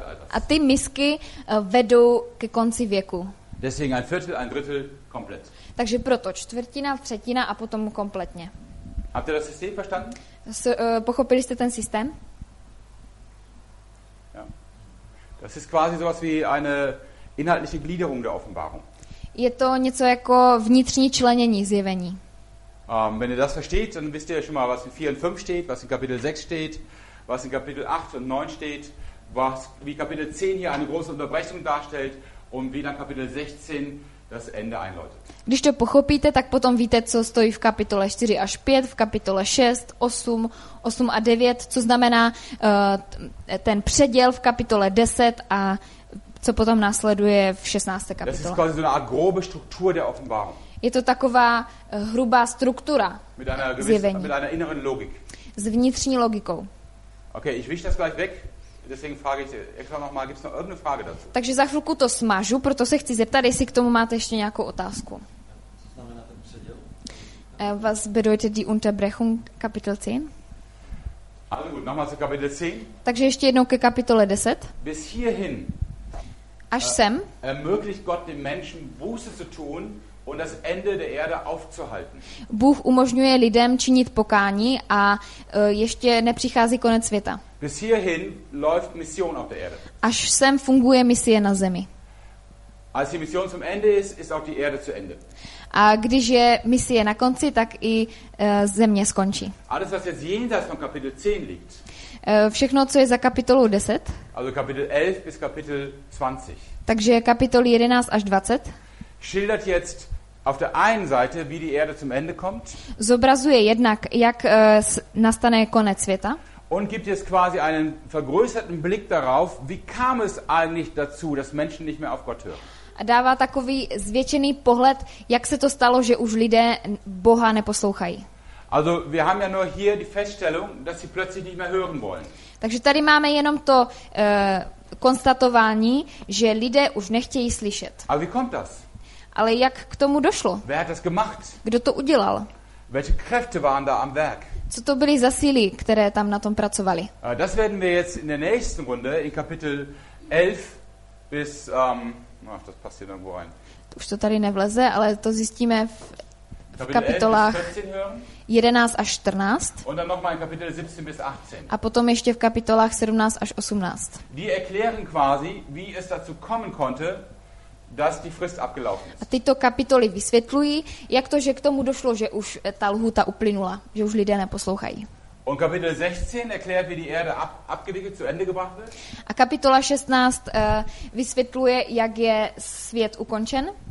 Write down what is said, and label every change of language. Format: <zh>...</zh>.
<cs>A ty misky vedou ke konci věku.</cs> <de>Deswegen ein Viertel, ein Drittel, komplett.</de> <cs>Takže proto čtvrtina, třetina a potom kompletně.</cs> <de>Habt ihr das System verstanden?</de> <cs>Pochopili jste ten systém?</cs> <de>Ja. Das ist quasi sowas wie eine inhaltliche Gliederung der Offenbarung.</de> <cs>Je to něco jako vnitřní členění zjevení.</cs> <de>Wenn ihr das versteht, dann wisst ihr ja schon mal, was in 4 und 5 steht, was in Kapitel 6 steht, was in Kapitel 8 und 9 steht, was wie Kapitel 10 hier eine große Unterbrechung darstellt und wie dann Kapitel 16 das Ende einläutet.</de> <cs>Když to pochopíte, tak potom víte, co stojí v kapitole 4 až 5, v kapitole 6, 8, 8 a 9, co znamená ten předěl v kapitole 10 a co potom následuje v 16. kapitole.</cs> <de>Das ist quasi so eine Art grobe Struktur der Offenbarung.</de> <cs>Je to taková hrubá struktura zjevení.</cs> <de>Mit einer inneren Logik.</de> <cs>S vnitřní logikou.</cs> <de>Okay, ich wisch das gleich weg. Deswegen frage ich extra noch mal, gibt's noch irgendeine Frage dazu?</de> <cs>Takže za chvilku to smažu, proto se chci zeptat, jestli k tomu máte ještě nějakou otázku.</cs> <de>Was bedeutet die Unterbrechung Kapitel 10? Also gut, nochmal zu Kapitel 10.</de> <cs>Takže ještě jednou ke kapitole 10.</cs> <de>Bis hierhin.</de> <cs>Až sem.</cs> <de>Ermöglicht Gott den Menschen Buße zu tun. Und das Ende der Erde aufzuhalten.</de> <cs>Bůh umožňuje lidem činit pokání a ještě nepřichází konec světa.</cs> <de>Bis hierhin läuft Mission auf der Erde.</de> <cs>Až sem funguje misie na zemi.</cs> <de>Als die Mission zum Ende ist, ist auch die Erde zu Ende.</de> <cs>A když je misie na konci, tak i země skončí.</cs> <de>Alles, was jetzt jenseits von Kapitel 10 liegt.</de> <cs>Všechno, co je za kapitolou 10.</cs> <de>Also Kapitel 11 bis Kapitel 20.</de> <cs>Takže kapitoly 11 až 20.</cs> <de>Schildert jetzt auf der einen Seite, wie die Erde zum Ende kommt.</de> <cs>Zobrazuje jednak, jak nastane konec světa.</cs> <de>Und gibt jetzt quasi einen vergrößerten Blick darauf, wie kam es eigentlich dazu, dass Menschen nicht mehr auf Gott hören.</de> <cs>A dává takový zvětšený pohled, jak se to stalo, že už lidé Boha neposlouchají.</cs> <de>Also wir haben ja nur hier die Feststellung, dass sie plötzlich nicht mehr hören wollen.</de> <cs>Takže tady máme jenom to konstatování, že lidé už nechtějí slyšet.</cs> <de>A wie kommt das?</de> <cs>Ale jak k tomu došlo?</cs> <de>Wer hat das gemacht?</de> <cs>Kdo to udělal?</cs> <de>Welche Kräfte waren da am Werk?</de> <cs>Co to byly za síly, které tam na tom pracovali?</cs> <de>Das werden wir jetzt in der nächsten Runde in Kapitel 11 bis ach, das passt hier irgendwo rein.</de> <cs>Už to tady nevleze, ale to zjistíme v kapitolách 11 až 14.</cs> <de>Und dann noch mal in Kapitel 17 bis 18.</de> <cs>A potom ještě v kapitolách 17 až 18.</cs> <de>Die erklären quasi, wie es dazu kommen konnte, dass die Frist abgelaufen ist.</de> <cs>A tyto kapitoly vysvětlují, jak to, že k tomu došlo, že už ta lhůta uplynula, že už lidé neposlouchají.</cs> <de>Und Kapitel 16 erklärt, wie die Erde abgewickelt zu Ende gebracht wird.</de> <cs>A kapitola 16 vysvětluje, jak je svět ukončen.</cs>